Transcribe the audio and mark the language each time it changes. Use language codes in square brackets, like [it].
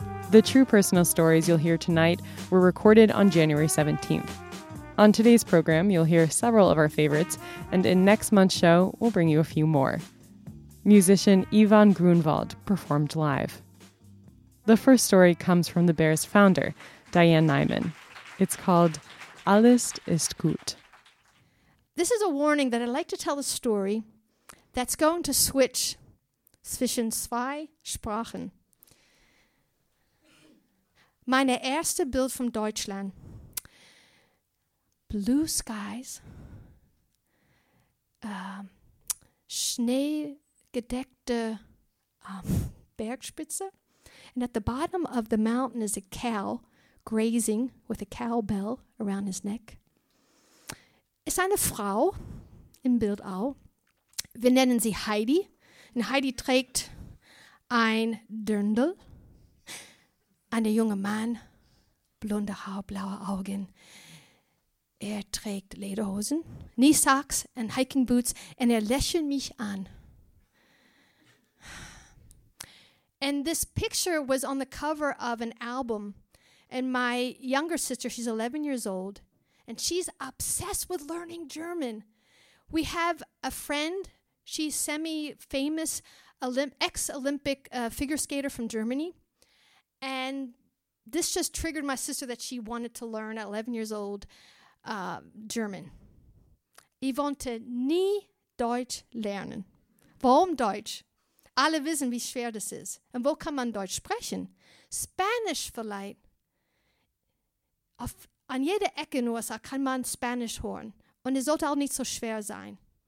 [en] The true personal stories you'll hear tonight were recorded on January 17th. On today's program, you'll hear several of our favorites, and in next month's show, we'll bring you a few more. Musician Yvonne Grunewald performed live. The first story comes from The Bear's founder, Diane Nyman. It's called [de] Alles ist gut. [en] This is a warning that I'd like to tell a story that's going to switch [de] zwischen zwei Sprachen. Meine erste Bild von Deutschland. [en] Blue skies. [de] Schneegedeckte Bergspitze. [en] And at the bottom of the mountain is a cow grazing with a cowbell around his neck. [de] Es ist eine Frau im Bild auch. Wir nennen sie Heidi. Und Heidi trägt ein Dirndl. Ein junger Mann, blonde Haare, blaue Augen. Er trägt Lederhosen, [en] Knee Socks [de] und [en] Hiking Boots [de] und er lächelt mich an. [en] And this picture was on the cover of an album. And my younger sister, she's 11 years old, and she's obsessed with learning German. We have a friend, she's semi-famous ex-Olympic figure skater from Germany. And this just triggered my sister that she wanted to learn at 11 years old German. [de] Ich wollte nie Deutsch lernen. Warum Deutsch? Alle wissen, wie schwer das ist. Und wo kann man Deutsch sprechen? Spanisch vielleicht. An jeder Ecke in den USA kann man Spanisch hören. Und es sollte auch nicht so schwer sein.